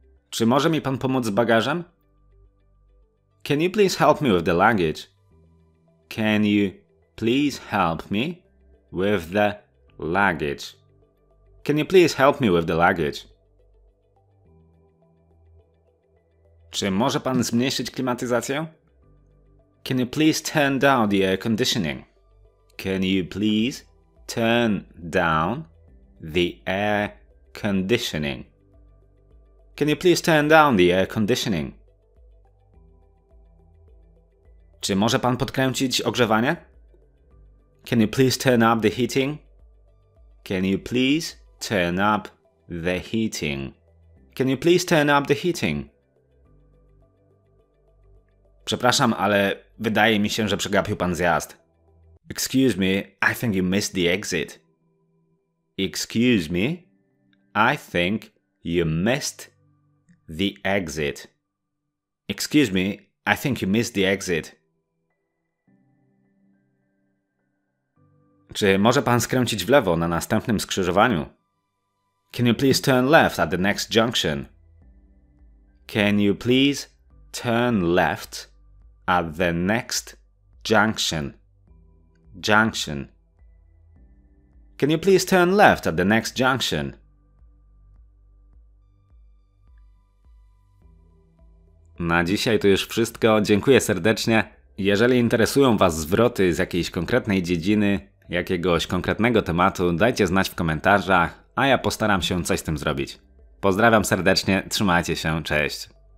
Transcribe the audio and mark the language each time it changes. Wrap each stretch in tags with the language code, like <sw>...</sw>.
<pl>Czy może mi pan pomóc z bagażem?</pl> <en>Can you please help me with the luggage? Can you please help me with the luggage? Can you please help me with the luggage?</en> <pl>Czy może pan zmniejszyć klimatyzację?</pl> <en>Can you please turn down the air conditioning? Can you please turn down the air conditioning? Can you please turn down the air conditioning?</en> <pl>Czy może pan podkręcić ogrzewanie?</pl> <en>Can you please turn up the heating? Can you please turn up the heating? Can you please turn up the heating?</en> <pl>Przepraszam, ale wydaje mi się, że przegapił pan zjazd.</pl> <en>Excuse me, I think you missed the exit. Excuse me, I think you missed the exit. Excuse me, I think you missed the exit.</en> <pl>Czy może pan skręcić w lewo na następnym skrzyżowaniu?</pl> <en>Can you please turn left at the next junction? Can you please turn left at the next junction? Junction. Can you please turn left at the next junction?</en> <pl>Na dzisiaj to już wszystko. Dziękuję serdecznie. Jeżeli interesują Was zwroty z jakiejś konkretnej dziedziny, jakiegoś konkretnego tematu, dajcie znać w komentarzach, a ja postaram się coś z tym zrobić. Pozdrawiam serdecznie, trzymajcie się, cześć.</pl>